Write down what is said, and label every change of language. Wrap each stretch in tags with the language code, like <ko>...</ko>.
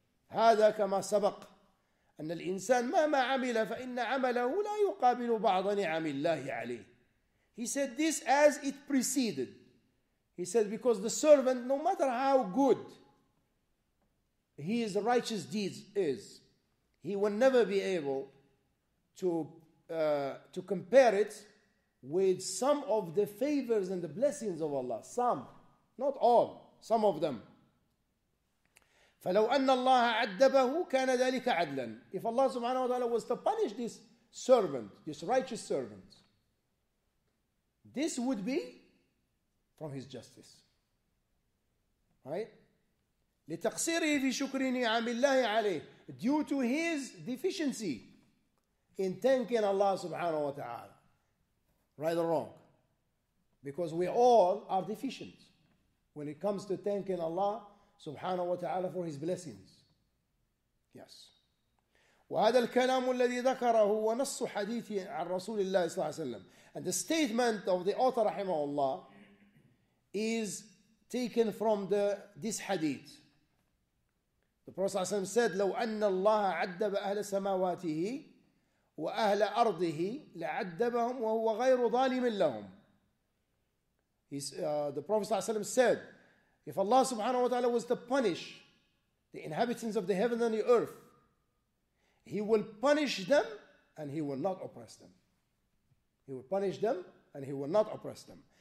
<ar>هَذَا كَمَا سَبَقْ أن الإنسان مهما عمل فإن عمله لا يقابل بعض نعم الله عليه.</ar> <en>He said this as it preceded. He said because the servant, no matter how good his righteous deeds is, he will never be able to compare it with some of the favors and the blessings of Allah. Some, not all, some of them.</en> <ar>فَلَوْ أَنَّ اللَّهَ عَدَّبَهُ كَانَ ذَلِكَ عَدْلًا</ar> <en>If Allah subhanahu wa ta'ala was to punish this servant, this righteous servant, this would be from his justice. Right?</en> <ar>لِتَقْصِيرِهِ فِي شُكْرِ نِعَمِ اللَّهِ عَلَيْهِ</ar> <en>Due to his deficiency in thanking Allah subhanahu wa ta'ala. Right or wrong? Because we all are deficient when it comes to thanking Allah Subhanahu wa ta'ala for his blessings. Yes.</en> <ar>وهذا الكلام الذي ذكره هو نص حديث عن رسول الله صلى الله عليه وسلم.</ar> <en>And the statement of the author رحمه الله is taken from this hadith.</en> <ar>The Prophet صلى الله عليه وسلم said, لو أن الله عدب أهل سماواته وأهل أرضه لعدبهم وهو غير ظالم لهم.</ar> <en>The Prophet صلى الله عليه وسلم said, If Allah subhanahu wa ta'ala was to punish the inhabitants of the heaven and the earth, He will punish them and He will not oppress them. He will punish them and He will not oppress them.</en>